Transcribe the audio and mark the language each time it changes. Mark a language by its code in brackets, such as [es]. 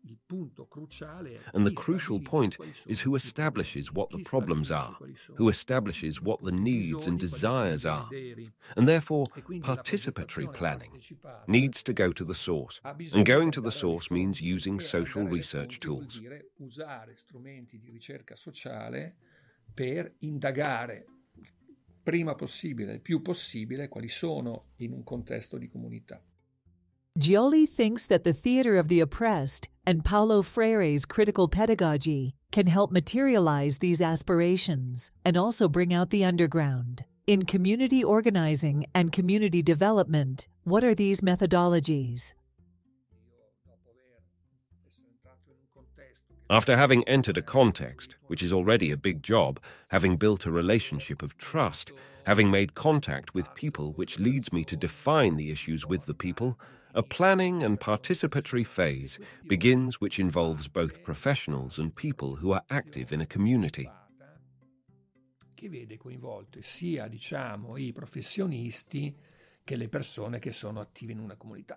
[en] And the crucial point is who establishes what the problems are, who establishes what the needs and desires are. And therefore, participatory planning needs to go to the source. And going to the source means using social research tools. [it] Usare strumenti di ricerca sociale per indagare prima possibile, il più possibile, quali sono in un contesto di comunità. [en] Gioli thinks that the theater of the oppressed and Paulo Freire's critical pedagogy can help materialize these aspirations and also bring out the underground. In community organizing and community development, what are these methodologies? After having entered a context, which is already a big job, having built a relationship of trust, having made contact with people, which leads me to define the issues with the people, a planning and participatory phase begins, which involves both professionals and people who are active in a community. [it] Che vede coinvolte sia, diciamo, i professionisti che le persone che sono attive in una comunità.